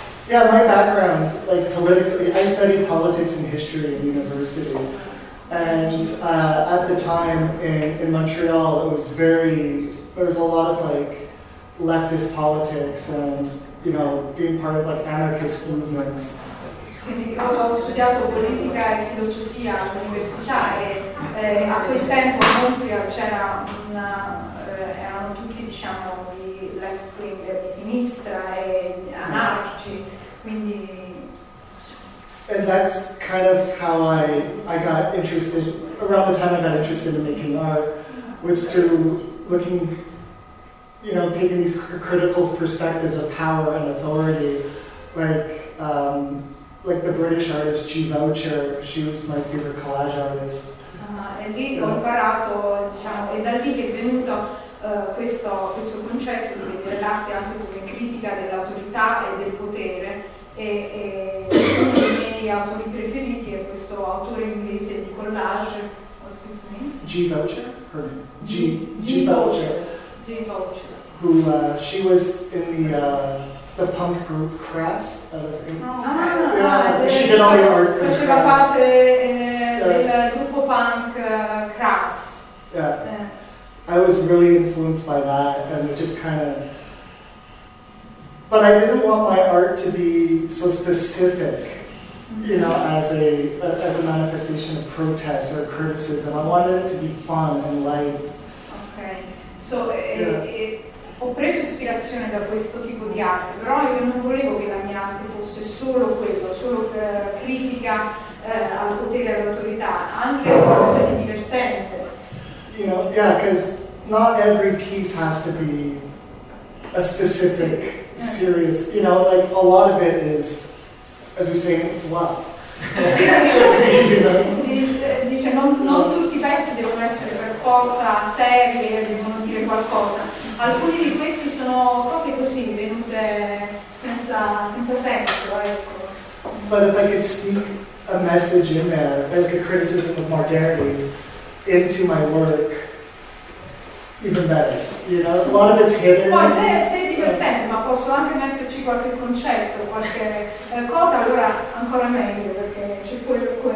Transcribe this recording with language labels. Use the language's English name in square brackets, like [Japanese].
[English] Yeah, my background, like politically, I studied politics and history at university, and at the time in Montreal, there was a lot of like leftist politics and, you know, being part of like anarchist movements. [Italian] Quindi ho studiato politica e filosofia all'università, e a quel tempo in Montreal erano tutti, diciamo, di [English] left wing, [Italian] di sinistra e anarchici. [English] And that's kind of how I got interested, around the time I got interested in making art, was through looking, you know, taking these critical perspectives of power and authority, like the British artist G. Boucher. She was my favorite collage artist. [Italian] E lì ho imparato, diciamo, e da lì che è venuto questo concetto di dell'arte anche come critica dell'autorità e del potere. E uno dei miei autori preferiti è questo autore inglese di collage, [English] Voucher, her name? G Voucher. Who, she was in the punk group Crass out of England. She did all the art for Crass. [Italian] Faceva parte del gruppo punk Crass. [English] Yeah. I was really influenced by that, and it just kind of... But I didn't want my art to be so specific, you know, as a manifestation of protest or criticism. I wanted it to be fun and light. Okay. [Italian] So, ho preso ispirazione da questo tipo di arte, però io non volevo che la mia arte fosse solo quello, solo critica al potere e all'autorità, anche a qualcosa di divertente. [English] You know, yeah, because not every piece has to be a specific, serious, you know, like a lot of it is, as we say, fluff. [Italian] Dice, non tutti i pezzi devono essere per forza seri e devono dire qualcosa. Alcuni di questi sono cose così, venute senza senso, ecco. [English] But if I could sneak a message in there, like a criticism of modernity, into my work, even better, you know? A lot of it's hidden. [Italian] Poi se è divertente, ma posso anche metterci qualche concetto, qualche cosa, allora ancora meglio, perché c'è quello.